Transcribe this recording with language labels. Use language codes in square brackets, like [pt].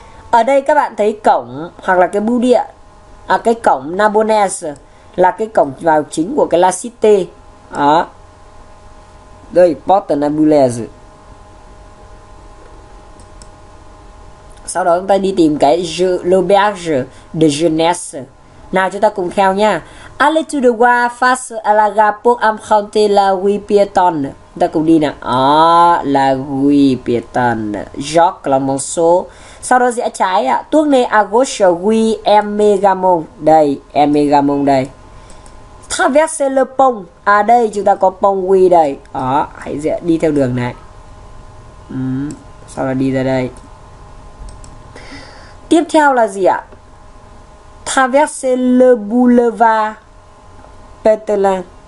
[vi] Ở đây các bạn thấy cổng hoặc là cái bưu điện, cái cổng Nabonese là cái cổng vào chính của cái La Cité. Đó. Đây, Porte Nabonese. Sau đó chúng ta đi tìm cái l'auberge de jeunesse. Nào chúng ta cùng theo nha. [fr] Aller tout droit face à la gare pour emprunter la rue piétonne. [vi] Chúng ta cùng đi nè. La rue piétonne. Jacques Clemenceau. Sau đó rẽ trái ạ. [fr] Tourner à gauche rue Aimé Gamon. [vi] Đây, Aimé Gamon đây. [fr] Traverser le pont. [vi] Đây chúng ta có pont rue đây. Hãy rẽ đi theo đường này. Sau đó đi ra đây. Tiếp theo là gì ạ? [fr] Traverser le boulevard Pétain.